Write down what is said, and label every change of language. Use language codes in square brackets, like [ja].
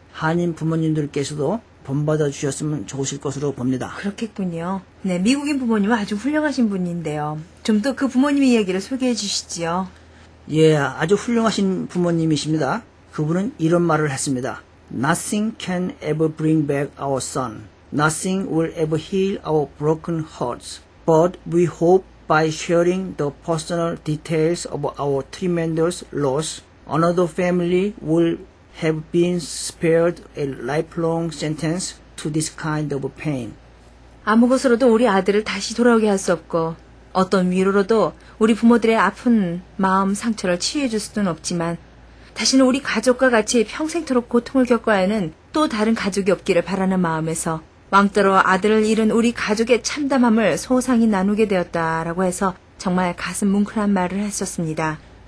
[ko] 한인 부모님들께서도 본받아 주셨으면 좋으실 것으로 봅니다. 그렇겠군요. 네, 미국인 부모님은 아주 훌륭하신 분인데요. 좀 더 그 부모님의 이야기를 소개해 주시지요. 예, 아주 훌륭하신 부모님이십니다. 그분은 이런 말을 했습니다. [en] Nothing can ever bring back our son. Nothing will ever heal our broken hearts, but we hope by sharing the personal details of our tremendous loss, another family will have been spared a lifelong sentence to this kind of pain. [ko] 아무것으로도 우리 아들을 다시 돌아오게 할 수 없고, 어떤 위로로도 우리 부모들의 아픈 마음 상처를 치유해 줄 수는 없지만, 다시는 우리 가족과 같이 평생토록 고통을 겪어야 하는 또 다른 가족이 없기를 바라는 마음에서 왕따로 아들을 잃은 우리 가족의 참담함을 소상히 나누게 되었다라고 해서 정말 가슴 뭉클한 말을 했었습니다.